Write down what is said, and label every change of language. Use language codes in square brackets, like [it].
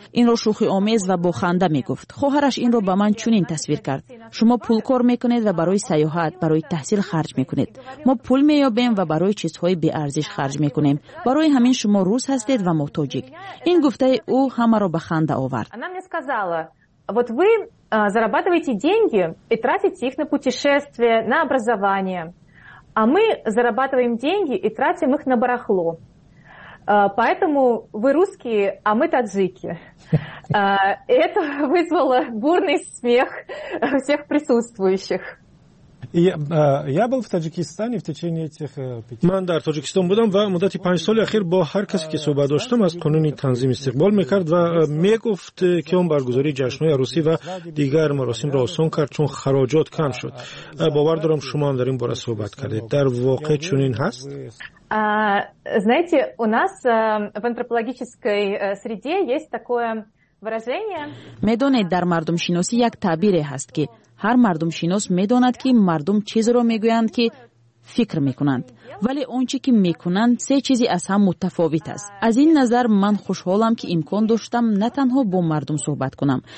[tg] این را شوخی آمیز و بخنده می گفت. خواهرش این را به من چنین تصویر کرد. شما پول کار می کنید و برای سیاحت، برای تحصیل خرج می کنید. ما پول می یابیم و برای چیزهای بی ارزش خرج می کنیم. برای همین شما روس هستید و ما تاجیک. این گفته او همه را به خنده آورد. [ru] Вот вы зарабатываете деньги и тратите их на путешествия, на образование. А мы зарабатываем деньги и тратим их на барахло. Поэтому вы русские, а мы таджики. Это вызвало бурный смех всех присутствующих. Я был в Таджикистане в течение этих пяти. [tg] Ман дар Таджикистан будам ва муддати 5 соли ахир бо ҳар касе ки суҳбат доштам аз қонуни танзим истиқбол мекард ва мегуфт ки он баргузори ҷашнҳои арусӣ ва дигар маросимро осон кард чун хароҷот кам шуд. Бовар дорам шумо ҳам дар ин бора суҳбат кардед. Дар воқеъ чунин ҳаст? [ru] Знаете, у нас в антропологической среде есть такое выражение. [tg] Медонед дар мардум шиноси як таъбире ҳаст ки هر مردم شناس می داند که مردم چیز را می گویند که فکر می کنند. ولی اونچه که می کنند سه چیزی از هم متفاوت است. از این نظر من خوشحالم که امکان داشتم نه تنها با مردم صحبت کنم.